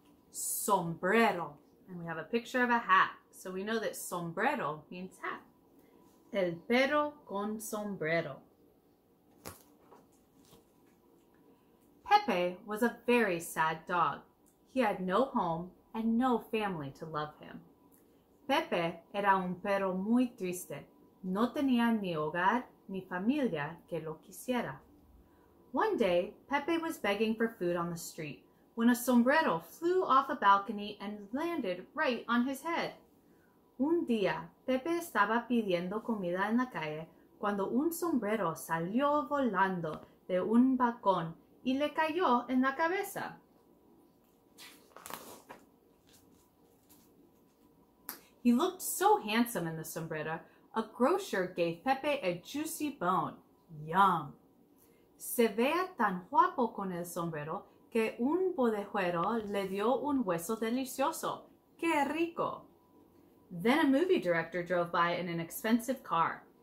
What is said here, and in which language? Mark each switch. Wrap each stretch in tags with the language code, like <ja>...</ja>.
<en>Sombrero. And we have a picture of a hat. So we know that sombrero means hat.</en> <es>El perro con sombrero.</es> <en>Pepe was a very sad dog. He had no home and no family to love him.</en> <es>Pepe era un perro muy triste. No tenía ni hogar ni familia que lo quisiera.</es> <en>One day, Pepe was begging for food on the street when a sombrero flew off a balcony and landed right on his head.</en> <es>Un día, Pepe estaba pidiendo comida en la calle cuando un sombrero salió volando de un balcón y le cayó en la cabeza.</es> <en>He looked so handsome in the sombrero. A grocer gave Pepe a juicy bone. Yum!</en> <es>Se vea tan guapo con el sombrero que un bodejuero le dio un hueso delicioso. ¡Qué rico!</es> <en>Then a movie director drove by in an expensive car.</en>